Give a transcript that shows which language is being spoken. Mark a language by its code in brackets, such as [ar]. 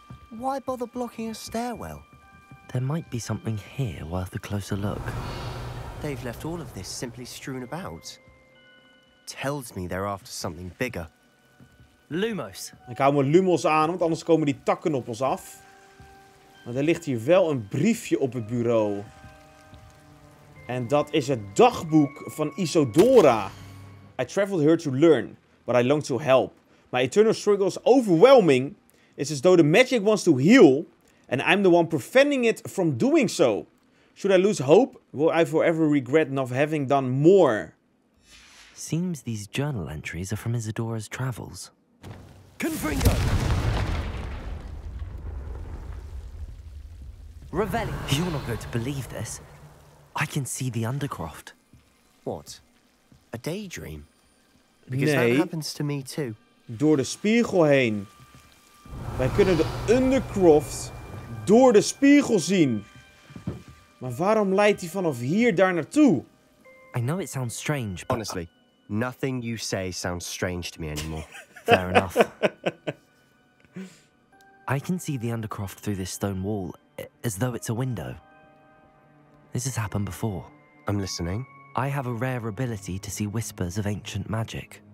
[en] Why bother blocking a stairwell? There might be something here worth a closer look. They've left all of this simply strewn about. Tells me they're after something bigger. Lumos. [nl] Ik hou mijn Lumos aan, want anders komen die takken op ons af. Maar er ligt hier wel een briefje op het bureau. En dat is het dagboek van Isadora. [en] I traveled here to learn, but I long to help. My eternal struggle is overwhelming. It's as though the magic wants to heal, and I'm the one preventing it from doing so. Should I lose hope? Will I forever regret not having done more? Seems these journal entries are from Isadora's travels. Confringo! Revelli! You're not going to believe this. I can see the Undercroft. What? A daydream? Because that happens to me too. [nl] Door de spiegel heen. Wij kunnen de Undercroft door de spiegel zien. Maar waarom leidt hij vanaf hier daar naartoe? [en] I know it sounds strange, but... Honestly, nothing you say sounds strange to me anymore. Fair enough. I can see the Undercroft through this stone wall, as though it's a window. This has happened before. I'm listening. I have a rare ability to see whispers of ancient magic.